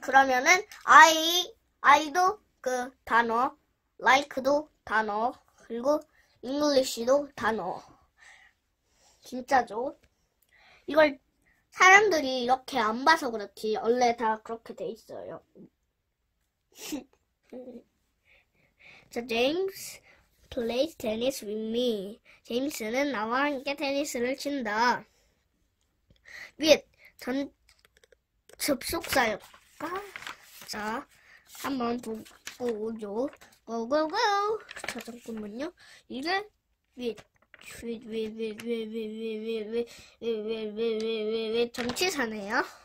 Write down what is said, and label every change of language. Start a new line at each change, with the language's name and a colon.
Korean: 그러면은 I도 그 단어, like도 단어, 그리고 English도 단어. 진짜죠? 이걸 사람들이 이렇게 안 봐서 그렇지. 원래 다 그렇게 돼 있어요.
English: 자, James plays tennis with me.
Korean: 제임스는 나와 함께 테니스를 친다. With 접속사일까? 자, 한번 보고 오죠.
English: Go, go, go!
Korean: 자, 잠깐만요. 이게 왜 정치사네요?